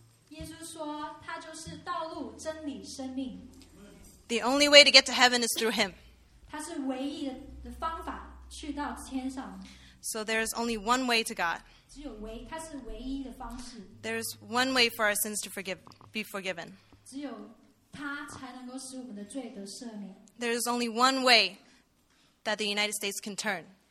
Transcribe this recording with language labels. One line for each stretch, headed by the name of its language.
Chinese: 耶稣说, 他就是道路, 真理,
English: the only way to get to heaven is through him.
Chinese: 他是唯一的方法去到天上,
English: so there is only one way to God.
Chinese: 只有唯一的方式,
English: there is one way for our sins to forgive, be forgiven.
Chinese: 只有他才能够使我们的罪得赦免,
English: there is only one way that the United States can turn.